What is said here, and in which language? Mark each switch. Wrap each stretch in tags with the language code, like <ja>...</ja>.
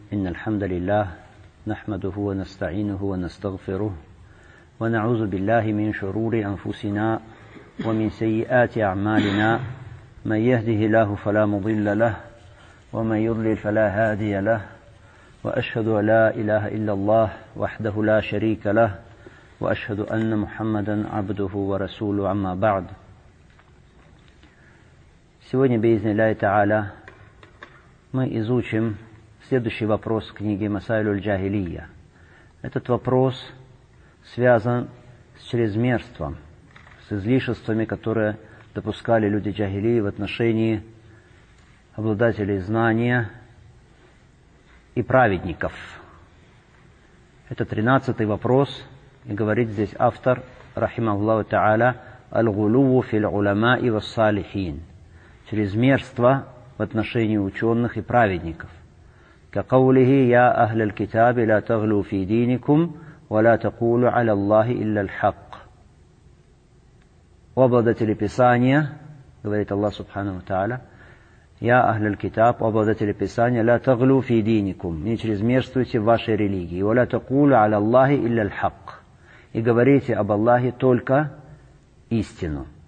<ar>إن الحمد لله نحمده ونستعينه ونستغفره ونعوذ بالله من شرور أنفسنا ومن سيئات أعمالنا، من يهده الله فلا مضل له، ومن يضلل فلا هادي له، وأشهد أن لا إله إلا الله وحده لا شريك له، وأشهد أن محمدا عبده ورسوله، أما بعد.</ar> <ru>Сегодня</ru> <ar>بإذن الله تعالى</ar> <ru>мы изучим следующий вопрос книги «Масайлю аль-Джахилия». Этот вопрос связан с чрезмерством, с излишествами, которые допускали люди джахилии в отношении обладателей знания и праведников. Это 13-й вопрос, и говорит здесь автор,</ru> <ar>рахималлаху та'аля, «Аль-гулуву филь-уламаи вассалихин».</ar> <ru>Чрезмерство в отношении ученых и праведников.</ru> <ar>كقوله يا أهل الكتاب لا تغلوا في دينكم ولا تقولوا على الله إلا الحق.</ar> <ru>Обладатели Писания, говорит Аллах Субханаху Тааля,</ru> <ar>يا أهل الكتاب,</ar> <ru>обладатели Писания,</ru> <ar>لا تغلوا في دينكم,</ar> <ru>не чрезмерствуйте в вашей религии,</ru> <ar>ولا تقولوا على الله إلا الحق,</ar> <ru>и говорите об Аллахе только истину.</ru>